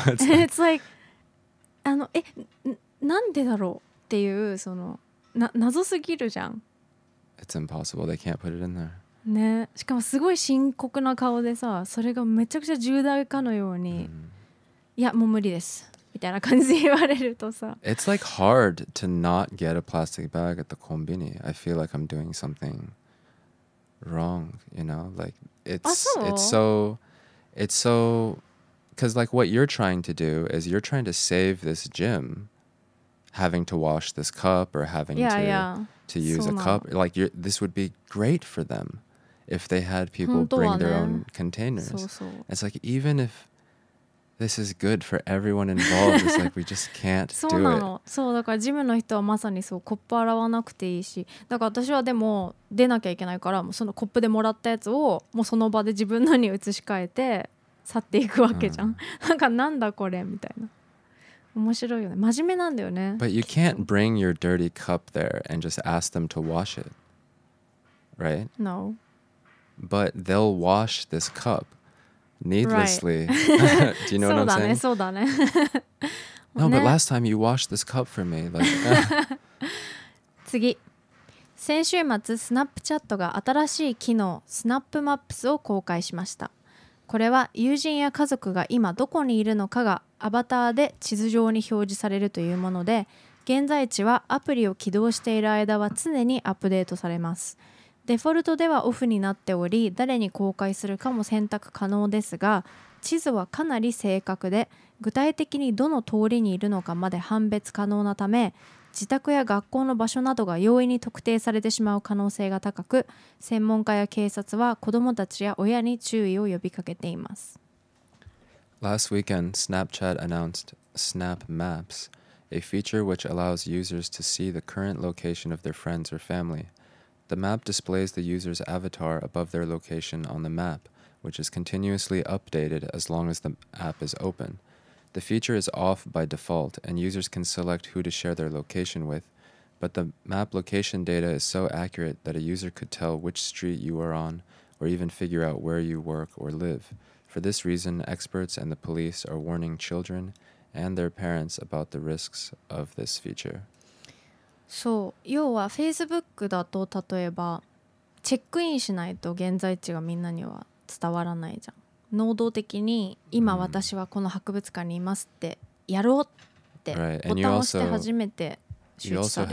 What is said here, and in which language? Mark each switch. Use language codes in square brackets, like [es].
[en] it's like, it's like [ja] あのえなんでだろうっていうそのな謎すぎるじゃん。 [en] It's impossible. They can't put it in there. [ja] ね。しかもすごい深刻な顔でさ、それがめちゃくちゃ重大かのように、 mm-hmm. いやもう無理ですみたいな感じで言われるとさ、 [en] It's like hard to not get a plastic bag at the konbini. I feel like I'm doing something wrong. You know, like it's so, because like what you're trying to do is you're trying to save this gym, having to wash this cup or having to use a cup, like this would be great for them if they had people bring their own containers. [ja] そうそう。 [en] It's like even if this is good for everyone involved, it's like we just can't do it. [ja] そうだからジムの人はまさにそうコップ洗わなくていいし、だから私はでも出なきゃいけないからもうそのコップでもらったやつをもうその場で自分のに移し替えて去っていくわけじゃん。なんかなんだこれみたいな。面白いよね。真面目なんだよね。 [en] But you can't bring your dirty cup there and just ask them to wash it, right? No. But they'll wash this cup needlessly. Right. Do you know what I'm saying? [ja] そうだね、そうだね。 [en] No, but last time you washed this cup for me. Like, [ja] 次。先週末、Snapchat が新しい機能、Snap Maps を公開しました。これは友人や家族が今どこにいるのかがアバターで地図上に表示されるというもので、現在地はアプリを起動している間は常にアップデートされます。デフォルトではオフになっており、誰に公開するかも選択可能ですが、地図はかなり正確で、具体的にどの通りにいるのかまで判別可能なため、自宅や学校の場所などが容易に特定されてしまう可能性が高く、専門家や警察は子どもたちや親に注意を呼びかけています。 [en] Last weekend, Snapchat announced Snap Maps, a feature which allows users to see the current location of their friends or family. The map displays the user's avatar above their location on the map, which is continuously updated as long as the app is open. The feature is off by default, and users can select who to share their location with, but the map location data is so accurate that a user could tell which street you are on, or even figure out where you work or live. For this reason, experts and the police are warning children and their parents about the risks of this feature. [ja] そう、要は Facebook だと例えばチェックインしないと現在地がみんなには伝わらないじゃん。能動的に今私はこの博物館にいますってやろうってボタンを押して初めて周知される。